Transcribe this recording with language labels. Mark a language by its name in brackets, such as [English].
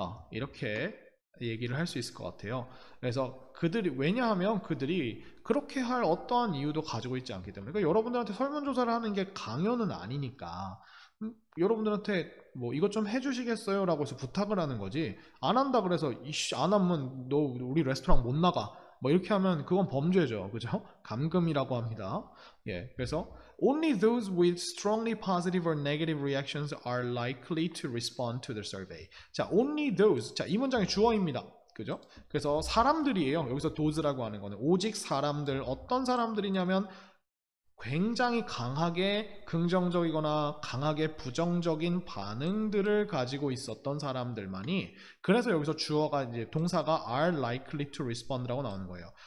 [Korean] 이렇게 얘기를 할수 있을 것 같아요. 그래서 그들이 왜냐하면 그들이 그렇게 할 어떠한 이유도 가지고 있지 않기 때문에 그러니까 여러분들한테 설문조사를 하는 게 강요는 아니니까 여러분들한테 뭐 이것 좀 해주시겠어요라고 해서 부탁을 하는 거지 안 한다 그래서 이씨 안 하면 너 우리 레스토랑 못 나가 뭐 이렇게 하면 그건 범죄죠 그죠? 감금이라고 합니다. [English] 예, 그래서 only those with strongly positive or negative reactions are likely to respond to the survey. 자, only those. [Korean] 자, 이 문장의 주어입니다. 그죠? 그래서 사람들이에요. 여기서 those라고 하는 거는 오직 사람들 어떤 사람들이냐면 굉장히 강하게 긍정적이거나 강하게 부정적인 반응들을 가지고 있었던 사람들만이 그래서 여기서 주어가 이제 동사가 [English] are likely to respond [Korean] 라고 나오는 거예요.